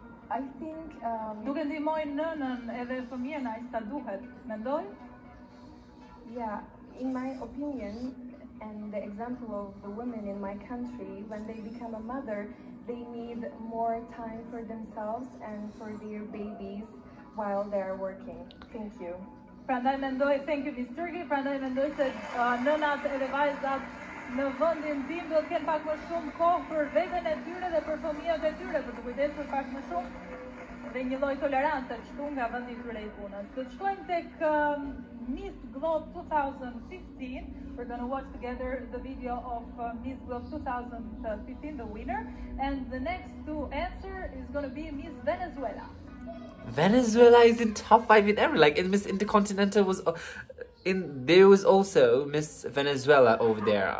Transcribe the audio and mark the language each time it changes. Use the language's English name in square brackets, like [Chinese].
[English] I think yeah, in my opinion, and the example of the women in my country, when they become a mother, they need more time for themselves and for their babies while they are working. Thank you. [Albanian] Prandaj mendoj, [English] thank you, [Albanian] Ms. Turki. Prandaj mendoj se nënat edhe vajzat në vendin tim do të kenë pak më shumë kohë për veten e tyre dhe për kujdes për pak më shumë dhe një lloj tolerancë çtu nga vendi tyre i punës. Do të shkojmë tek Miss Globe 2015. [English] We're going to watch together the video of Miss Globe 2015, the winner, and the next to answer is going to be Miss Venezuela. Venezuela is in top 5 in every, like, and Miss Intercontinental was in, there was also Miss Venezuela over there.